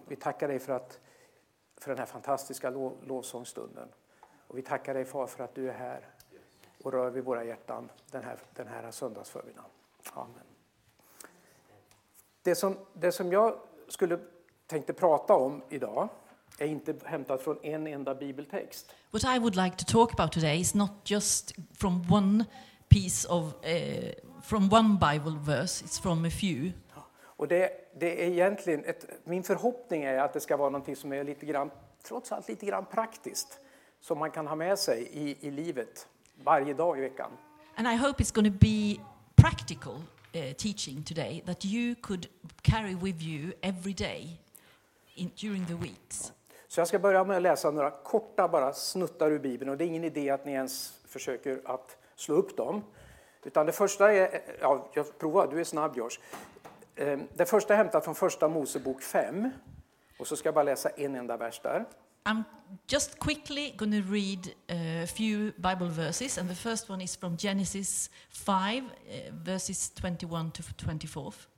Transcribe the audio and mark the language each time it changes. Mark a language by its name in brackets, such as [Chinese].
[Swedish] Vi tackar dig för den här fantastiska lovsångstunden. Och vi tackar dig, Far, för att du är här och rör vid våra hjärtan den här söndagsförmiddagen. Amen. Det som jag tänkte prata om idag är inte hämtat från en enda bibeltext. [English] What I would like to talk about today is not just from one piece of from one Bible verse, it's from a few. [Swedish] Och det är egentligen min förhoppning är att det ska vara någonting som är lite grann, trots allt lite grann praktiskt, som man kan ha med sig i livet varje dag i veckan. [English] And I hope it's going to be practical teaching today that you could carry with you every day during the weeks. [Swedish] Så jag ska börja med att läsa några korta bara snuttar ur Bibeln, och det är ingen idé att ni ens försöker att slå upp dem. Utan det första är, ja, jag provar, du är snabb, Josh. Det första är hämtat från första Mosebok 5. Och så ska jag bara läsa en enda vers där. [English] I'm just quickly going to read a few Bible verses. And the first one is from Genesis 5, verses 21 to 24.